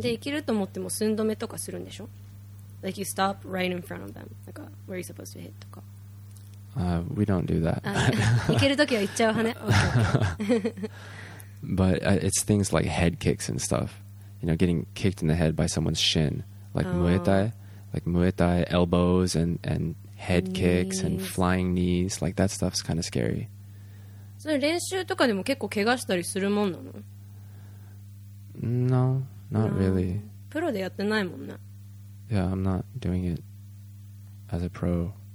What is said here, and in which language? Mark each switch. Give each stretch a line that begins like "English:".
Japanese: で、生きると思っても寸止めとかするんでしょ?
English: Like you stop right in front of them, like where you're supposed to hit
Japanese: とか。
English: We don't do that.
Japanese: いけるときは行っちゃうはね。
English: But it's things like head kicks and stuff. You know, getting kicked in the head by someone's shin. Like Muay Thai elbows and head kicks and flying knees. Like that stuff's kind of scary.
Japanese: そう、練習とかでも結構怪我したりするもんなの?
English: No, not really.
Japanese: プロでやってないもんね。
English: Yeah, I'm not doing it as a pro.